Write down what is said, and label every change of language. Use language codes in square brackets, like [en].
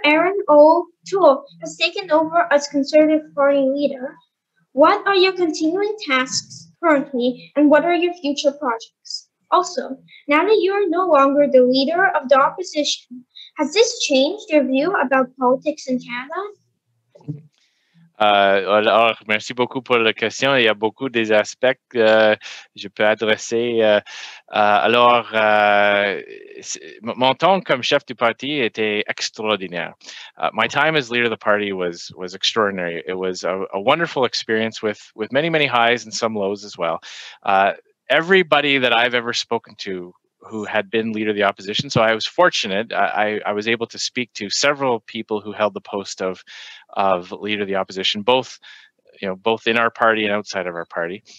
[en] Aaron O'Toole has taken over as Conservative Party leader, what are your continuing tasks currently and what are your future projects? Also, now that you are no longer the leader of the opposition, has this changed your view about politics in Canada? [fr] Alors, merci beaucoup pour la question. Il y a beaucoup des aspects que je peux adresser. Mon temps comme chef du parti était extraordinaire. [en] My time as leader of the party was extraordinary. It was a wonderful experience with many, many highs and some lows as well. Everybody that I've ever spoken to who had been leader of the opposition. So I was fortunate. I was able to speak to several people who held the post of leader of the opposition, both in our party and outside of our party.